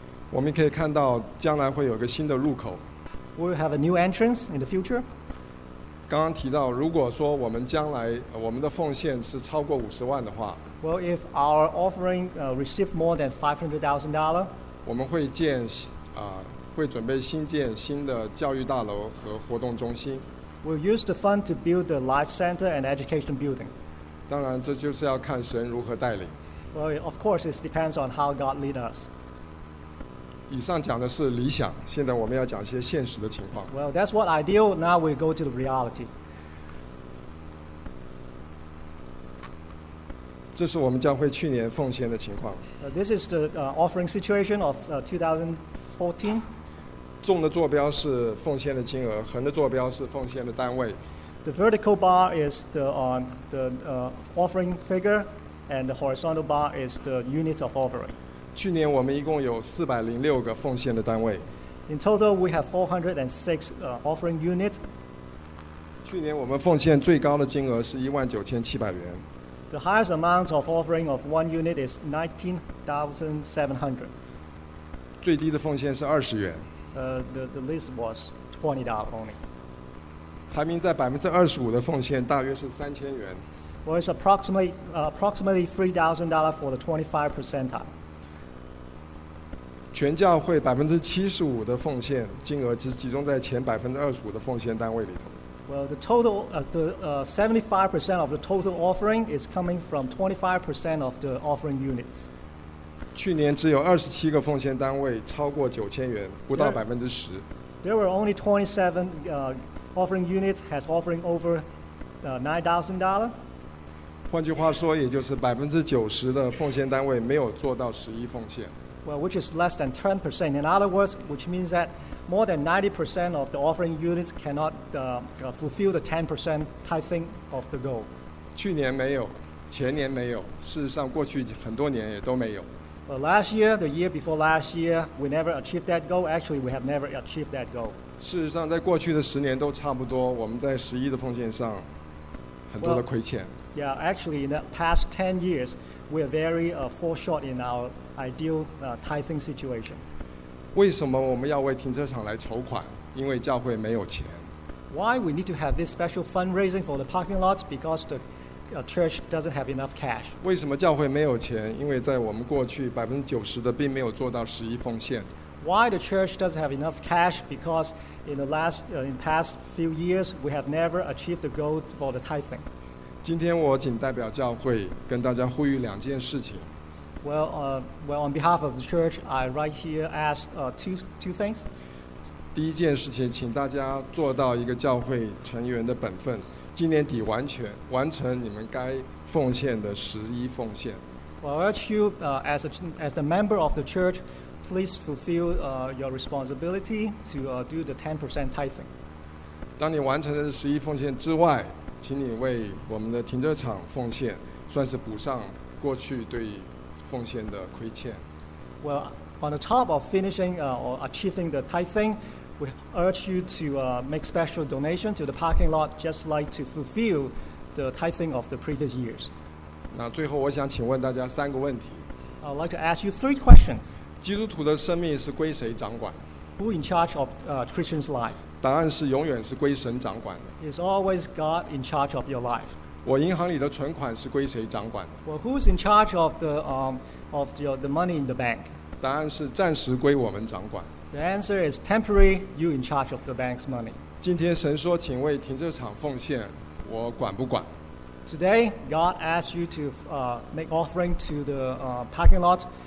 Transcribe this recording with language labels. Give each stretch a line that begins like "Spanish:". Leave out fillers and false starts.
Chinese: 我们可以看到将来会有个新的入口。
English: We'll have a new entrance in the future.
Chinese: 刚刚提到，如果说我们将来我们的奉献是超过500,000的话。
English: Well, if our offering received more than $500,000.
Chinese: 我们会建会准备新建新的教育大楼和活动中心。
English: We'll use the fund to build the life center and education building.
Chinese: 当然，这就是要看神如何带领。
English: Well, of course, it depends on how God leads us.
Chinese: 以上讲的是理想，现在我们要讲一些现实的情况。
English: Well, that's what ideal. Now we go to the reality.
Chinese: 这是我们教会去年奉献的情况。
English: This is the offering situation of 2014.
Chinese: 纵的坐标是奉献的金额，横的坐标是奉献的单位。
English: The vertical bar is the offering figure, and the horizontal bar is the unit of offering.
Chinese: 去年我们一共有406个奉献的单位。
English: In total, we have 406 offering units.
Chinese: 去年我们奉献最高的金额是19,700元。
English: The highest amount of offering of one unit is 19,700.
Chinese: 最低的奉献是20元。
English: The least was $20 only.
Chinese: 排名在25%的奉献大约是3,000元。
English: Well, it's approximately $3,000 for the 25 percentile.
Chinese: 全教会75%的奉献金额只集中在前25%的奉献单位里头。
English: Well, the total, 75% of the total offering is coming from 25% of the offering units.
Chinese: 去年只有27个奉献单位超过9,000元，不到10%。
English: There were only 27 offering units has offering over $9,000.
Chinese: 换句话说，也就是90%的奉献单位没有做到十一奉献。
English: well, which is less than 10%. In other words, which means that more than 90% of the offering units cannot fulfill the 10% tithing of the goal.
Chinese: 去年没有, 前年没有, 事实上, 过去很多年也都没有。
English: Well, last year, the year before last year, we never achieved that goal. Actually, we have never achieved that goal.
Chinese: 事实上, 在过去的10年都差不多, 我们在11的奉献上, 很多的亏欠。
English: Well, yeah, actually, in the past 10 years, we are very fall short in our ideal tithing situation.
Chinese: 为什么我们要为停车场来筹款? 因为教会没有钱。
English: Why we need to have this special fundraising for the parking lots? Because the church doesn't have enough cash.
Chinese: 为什么教会没有钱? 因为在我们过去 90%的并没有做到11奉献。
English: Why the church doesn't have enough cash? Because in the last in past few years, we have never achieved the goal for the tithing.
Chinese: 今天我仅代表教会跟大家呼吁两件事情。
English: Well, on behalf of the church, I right here ask two things.
Chinese: 第一件事情，请大家做到一个教会成员的本分，今年底完成你们该奉献的十一奉献。
English: Well, I urge you as the member of the church, please fulfill your responsibility to do the 10% tithing.
Chinese: 当你完成的十一奉献之外，请你为我们的停车场奉献，算是补上过去对奉献的亏欠。
English: Well, on the top of finishing or achieving the tithing, we urge you to make special donation to the parking lot just like to fulfill the tithing of the previous years.
Chinese: 那最后我想请问大家三个问题。
English: I'd like to ask you three questions.
Chinese: 基督徒的生命是归谁掌管?
English: Who in charge of Christian's life?
Chinese: 答案是永远是归神掌管的。
English: It's always God in charge of your life.
Chinese: 我银行里的存款是归谁掌管?
English: Well, who's in charge of the money in the bank?
Chinese: 答案是暂时归我们掌管。
English: The answer is temporary, you in charge of the bank's money.
Chinese: 今天神说请为停车场奉献，我管不管？
English: Today, God asks you to make offering to the parking lot.